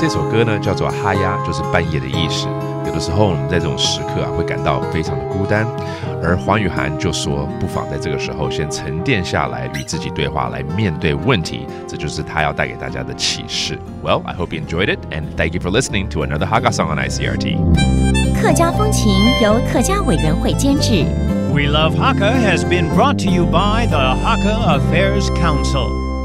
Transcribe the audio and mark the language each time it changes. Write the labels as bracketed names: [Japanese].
[Chinese] 歌呢叫做哈呀，就是半夜的意思。有的时候我们在这种时刻啊，会感到非常的孤单，而黄宇寒就说不妨在这个时候先沉淀下来，与自己对话，来面对问题。这就是他要带给大家的启示。 [English] Well, I hope you enjoyed it, and thank you for listening to another Hakka song on ICRT. [Chinese] 客家风情由客家委员会监制。 [English] We Love Hakka has been brought to you by the Hakka Affairs Council.